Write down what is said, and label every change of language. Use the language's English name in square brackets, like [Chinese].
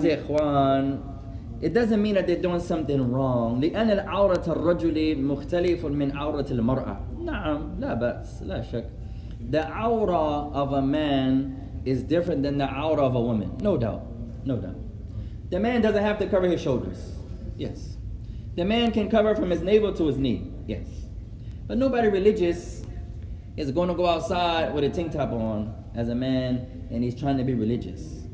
[English] Tell you, sometimes, like, اخوان, it doesn't mean that they're doing something wrong. [Arabic] لأن العورة الرجل مختلف من عورة المرأة. نعم لا بأس لا شك. [English] The aura of a man is different than the aura of a woman. No doubt, no doubt. The man doesn't have to cover his shoulders. Yes. The man can cover from his navel to his knee. Yes. But nobody religious is going to go outside with a tank top on as a man and he's trying to be religious.